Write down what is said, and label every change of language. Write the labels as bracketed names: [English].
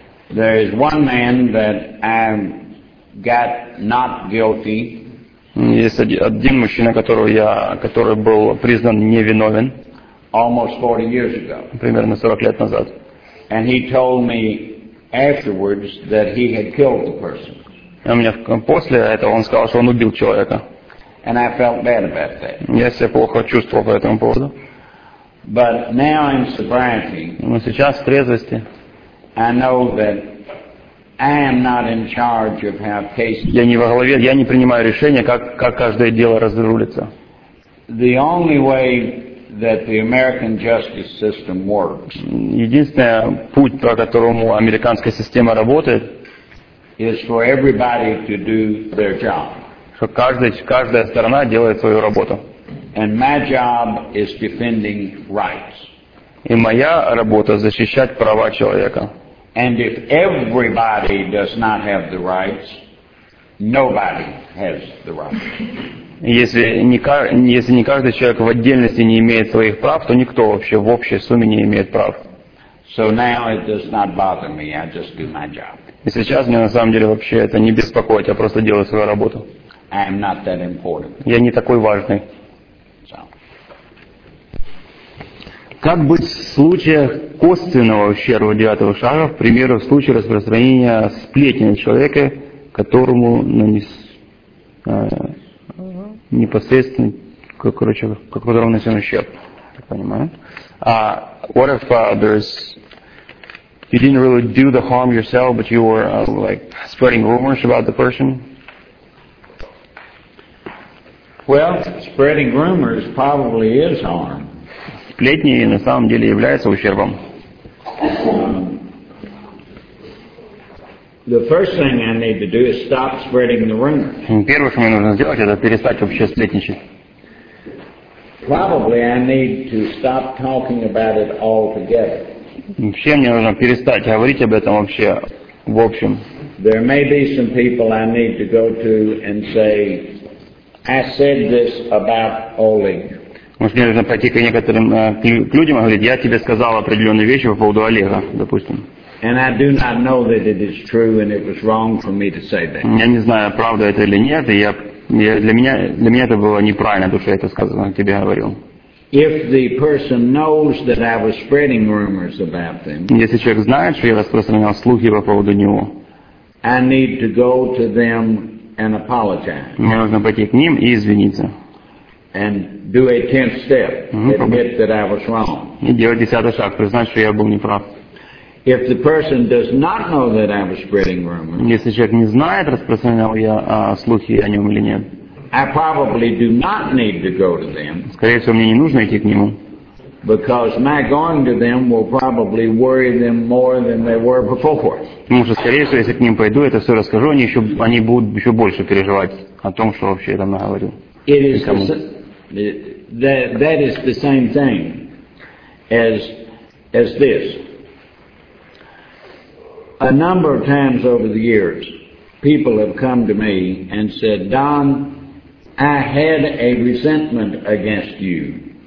[English] There is one man that I got not guilty. [Russian] Есть один мужчина, который был признан невиновен. [English] Almost 40 years ago. [Russian] Примерно 40 лет назад. [English] And he told me afterwards that he had killed the person. [Russian] И мне после этого он сказал, что он убил человека. [English] And I felt bad about that. [Russian] Я себя плохо чувствовал по этому поводу. [English] But now in sobriety. [Russian] Но сейчас в трезвости. [English] I know that I am not in charge of how cases. [Russian] Я не во главе, я не принимаю решения, как каждое дело разрулится. [English] The only way that the American justice system works. [Russian] Единственный путь, по которому американская система работает, [English] is for everybody to do their job. [Russian] Что каждая сторона делает свою работу. [English] And my job is defending rights. [Russian] И моя работа защищать права человека. [English] And if everybody does not have the rights, nobody has the rights. [Russian] Если не каждый человек в отдельности не имеет своих прав, то никто вообще в общей сумме не имеет прав. [English] So now it does not bother me. I just do my job. [Russian] И сейчас меня на самом деле вообще это не беспокоит, я просто делаю свою работу. [English] I am not that important. [Russian] Я не такой важный. [English] So. [Russian] Как быть в случаях косвенного ущерба девятого шага, к примеру, в случае распространения сплетни на человека, которому непосредственно, короче, которому нанесен ущерб, я понимаю. [English] What if there's, you didn't really do the harm yourself, but you were spreading rumors about the person? Well, spreading rumors probably is harm. [Russian] Сплетни на самом деле являются ущербом. [English] The first thing I need to do is stop spreading the rumor. [Russian] Первое, что мне нужно сделать, это перестать вообще сплетничать. [English] Probably I need to stop talking about it altogether. [Russian] Вообще мне нужно перестать говорить об этом вообще в общем. [English] There may be some people I need to go to and say, I said this about Oleg. [Russian] Может, мне нужно пойти к некоторым к людям и говорить, я тебе сказал определенные вещи по поводу Олега, допустим. [English] And I do not know that it is true, and it was wrong for me to say that. [Russian] Я не знаю, правда это или нет, и для меня это было неправильно, то, что я это сказал, тебе говорил. [English] If the person knows that I was spreading rumors about them. [Russian] Если человек знает, что я распространял слухи по поводу него. [English] I need to go to them and apologize. [Russian] Мне нужно пойти к ним и извиниться. [English] And do a tenth step, admit that I was wrong. [Russian] И делать десятый шаг, признать, что я был неправ. [English] If the person does not know that I was spreading rumors. [Russian] Если человек не знает, распространял я слухи о нем или нет. [English] I probably do not need to go to them. [Russian] Скорее всего, мне не нужно идти к нему. [English] Because my going to them will probably worry them more than they were before. [Russian] Потому что, скорее всего, если к ним пойду, это все расскажу, они будут еще больше переживать о том, что вообще я там наговорил. [English] It is that is the same thing as this. A number of times over the years, people have come to me and said, "Don, I had a resentment against you."